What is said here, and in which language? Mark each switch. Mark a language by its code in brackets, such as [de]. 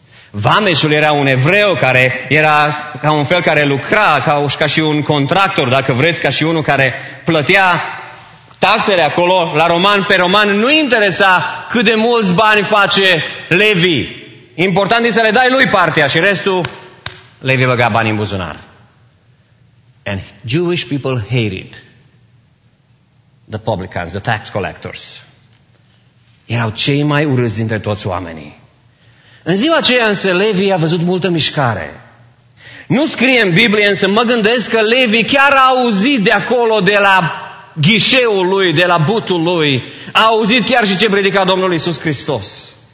[ro] Vameșul era un evreu care era ca un fel care lucra, ca și un contractor, dacă vreți, ca și unul care plătea taxele acolo la roman, pe roman. Nu interesa cât de mulți bani face Levi. Important e să le dai lui partea și restul, Levi băga banii în buzunar. [en] And Jewish people hated the publicans, the tax collectors. [ro] Erau cei mai urâți dintre toți oamenii. În ziua aceea, însă, Levi a văzut multă mișcare. Nu scrie în Biblie, însă mă gândesc că Levi chiar a auzit de acolo, de la ghișeul lui, de la butul lui, a auzit chiar și ce predica Domnul Iisus Hristos.